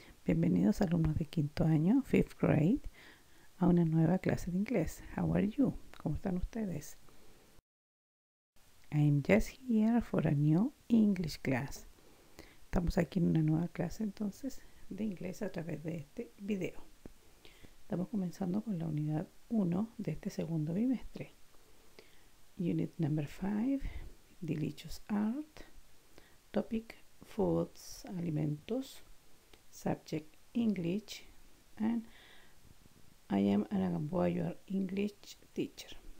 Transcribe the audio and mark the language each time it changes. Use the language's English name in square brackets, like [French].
[Spanish] Bienvenidos alumnos de quinto año, [English] fifth grade, [Spanish] a una nueva clase de inglés. [English] How are you? [Spanish] ¿Cómo están ustedes? [English] I'm just here for a new English class. [Spanish] Estamos aquí en una nueva clase entonces de inglés a través de este video. Estamos comenzando con la unidad 1 de este segundo bimestre. [English] Unit number 5. Delicious art, topic foods, alimentos, subject English, and I am an Aguayuar English teacher.